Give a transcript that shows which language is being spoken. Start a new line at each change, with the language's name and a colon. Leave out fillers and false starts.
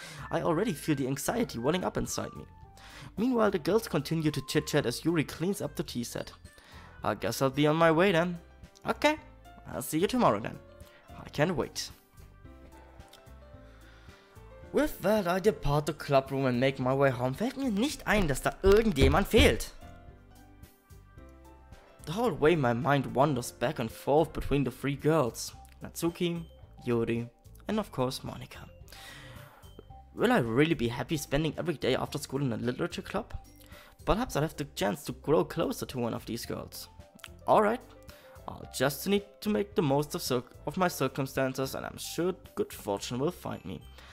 English: I already feel the anxiety welling up inside me. Meanwhile, the girls continue to chit-chat as Yuri cleans up the tea set. I guess I'll be on my way then. Okay, I'll see you tomorrow then. I can't wait. With that, I depart the clubroom and make my way home.
German: Fällt mir nicht ein, dass da irgendjemand fehlt.
English: The whole way my mind wanders back and forth between the three girls. Natsuki, Yuri, and of course Monika. Will I really be happy spending every day after school in a literature club? Perhaps I'll have the chance to grow closer to one of these girls. Alright, I'll just need to make the most of my circumstances and I'm sure good fortune will find me.